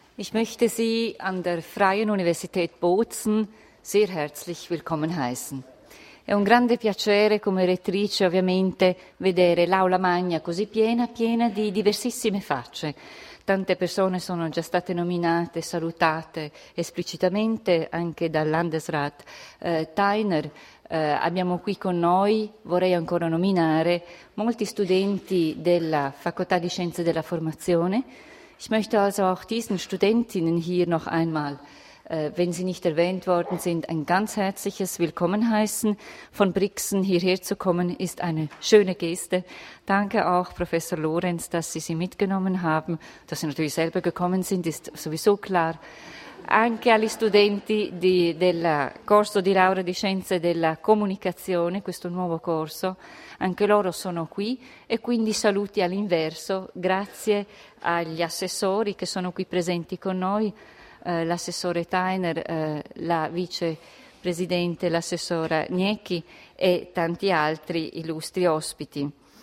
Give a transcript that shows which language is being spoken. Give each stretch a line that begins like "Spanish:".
German: Ich möchte Sie an der Freien Universität Bozen sehr herzlich willkommen heißen.
Italian: È un grande piacere come rettrice ovviamente vedere l'aula magna così piena di diversissime facce. Tante persone sono già state nominate, salutate esplicitamente anche dal Landesrat Theiner. Abbiamo qui con noi, vorrei ancora nominare, molti studenti della Facoltà di Scienze della Formazione.
German: Ich möchte also auch diesen Studentinnen hier noch einmal, wenn sie nicht erwähnt worden sind, ein ganz herzliches Willkommen heißen. Von Brixen hierher zu kommen, ist eine schöne Geste. Danke auch Professor Lorenz, dass Sie sie mitgenommen haben. Dass Sie natürlich selber gekommen sind, ist sowieso klar.
Italian: Anche agli studenti del corso di laurea di scienze della comunicazione, questo nuovo corso, anche loro sono qui e quindi saluti all'inverso, grazie agli assessori che sono qui presenti con noi, l'assessore Theiner, la vicepresidente, l'assessora Gnecchi e tanti altri illustri ospiti.